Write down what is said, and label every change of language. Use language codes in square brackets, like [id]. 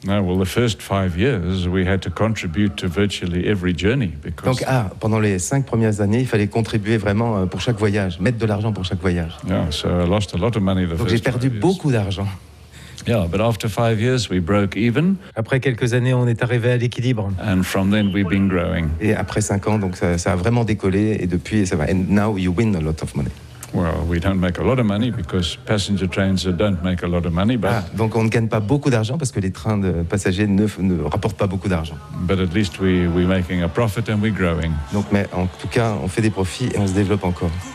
[en] Well, the first 5 years, we had to contribute to virtually every journey because. [fr] Donc pendant les cinq premières années, il fallait contribuer vraiment pour chaque voyage, mettre de l'argent pour chaque voyage. [en] Yeah, so I lost a lot of money the first. [fr] Donc j'ai perdu beaucoup d'argent. [en] Yeah, but after 5 years, we broke even. [fr] Après quelques années, on est arrivé à l'équilibre. [en] And from then, we've been growing. [fr] Et après 5 ans, donc ça a vraiment décollé. Et depuis, ça va. [en] And now, you win a lot of money. Well, we don't make a lot of money because passenger trains don't make a lot of money. But [fr] donc on ne gagne pas beaucoup d'argent parce que les trains de passagers ne rapportent pas beaucoup d'argent. [en] But at least we're making a profit and we're growing. [fr] Donc, mais en tout cas, on fait des profits et on se développe encore.